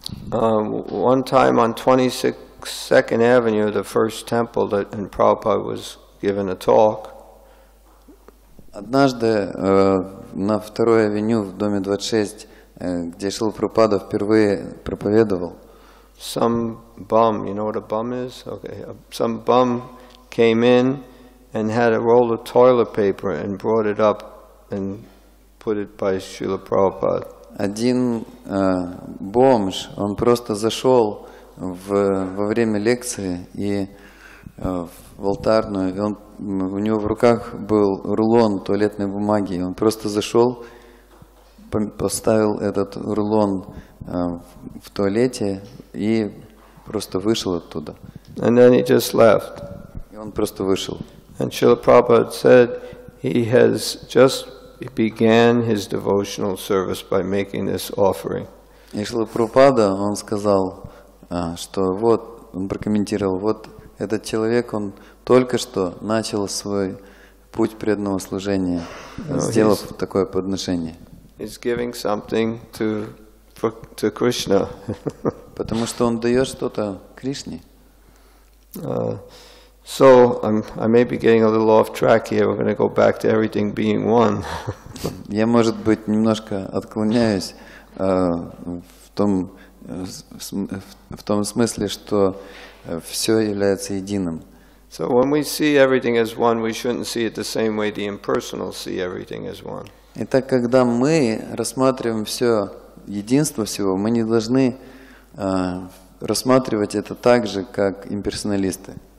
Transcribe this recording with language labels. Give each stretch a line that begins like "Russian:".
English: One time on 22nd Avenue, the first temple that in Prabhupada was given a talk.
Russian: Однажды на 2-й авеню в доме 26, где Шрила Прабхупада впервые проповедовал.
English: Some bum, you know what a bum is? Okay, some bum came in and had a roll of toilet paper and brought it up and put it by Srila Prabhupada.
Russian: Один бомж, он просто зашел во время лекции и в алтарную, и у него в руках был рулон туалетной бумаги, он просто зашел, поставил этот рулон в туалете и просто вышел оттуда.
English: And then he just left.
Russian: И он просто вышел.
English: And Srila Prabhupada said he has just began his devotional service by making this offering.
Russian: И Шрила Прабхупада, он сказал, что вот, он прокомментировал, вот этот человек, он только что начал свой путь преданного служения, сделав такое подношение.
English: He's giving something to Krishna.
Russian: Потому что он дает что-то Кришне.
English: So I may be getting a little off track here. We're going to go back to everything being one.
Russian: Я, может быть, немножко отклоняюсь в том смысле, что все является единым.
English: So when we see everything as one, we shouldn't see it the same way the impersonal see everything as one.
Russian: Итак, когда мы рассматриваем все единство всего, мы не должны рассматривать это так же, как имперсоналисты.